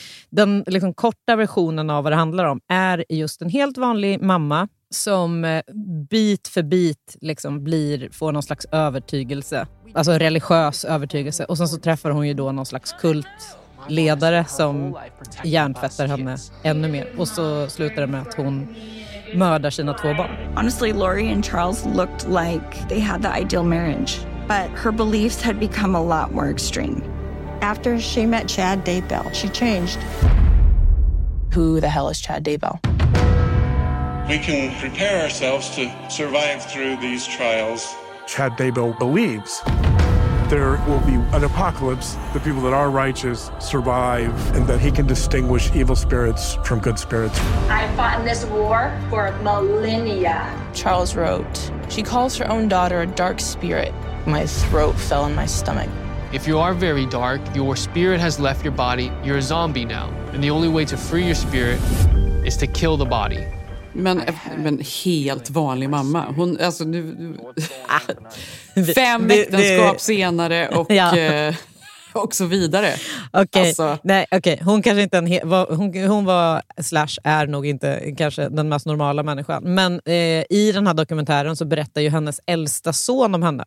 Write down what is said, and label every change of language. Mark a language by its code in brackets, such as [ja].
[sv] den liksom korta versionen av vad det handlar om är just en helt vanlig mamma som bit för bit liksom får någon slags övertygelse, alltså religiös övertygelse, och sen så träffar hon ju då någon slags kultledare som hjärntvättar henne ännu mer, och så slutar det med att hon mördar sina två barn. [en] Honestly, Lori and Charles looked like they had the ideal marriage, but her beliefs had become a lot more extreme. After she met Chad Daybell, she changed. Who the hell is Chad Daybell? We can prepare ourselves to survive through these trials. Chad Daybell believes there will be an apocalypse, the people that are righteous survive, and that he can distinguish evil spirits from good spirits. I fought in this war for millennia. Charles wrote, she calls her own daughter a dark spirit. My throat fell in my stomach. If you are very dark, your spirit has left your body, you're a zombie now. And the only way to free your spirit is to kill the body. [sv] Men helt vanlig mamma. Hon, alltså nu... fem äktenskap senare och, ja. Och så vidare. Okej, okay. Alltså. Nej, okay. Hon kanske inte är nog inte kanske den mest normala människan. Men i den här dokumentären så berättar ju hennes äldsta son om henne.